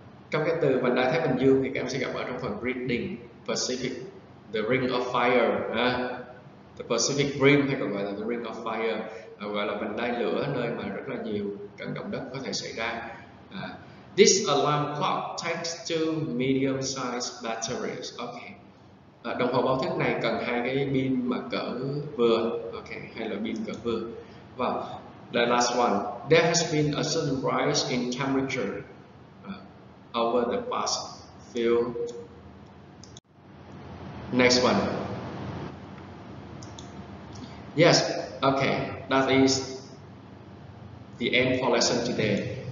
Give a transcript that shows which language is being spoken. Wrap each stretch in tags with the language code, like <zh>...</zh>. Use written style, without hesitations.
<vi>Trong cái từ vành đai Thái Bình Dương thì các em sẽ gặp ở trong phần reading Pacific, the Ring of Fire, the Pacific Rim hay còn gọi là the Ring of Fire, gọi là vành đai lửa, nơi mà rất là nhiều trận động đất có thể xảy ra.</vi> <en>This alarm clock takes two medium-sized batteries. Ok.</en> <vi>Đồng hồ báo thức này cần hai cái pin mà cỡ vừa. Ok, hai loại pin cỡ vừa. Và</vi> <en>the last one. There has been a sudden rise in temperature over the past few. Next one. Yes, ok. That is the end for lesson today.</en>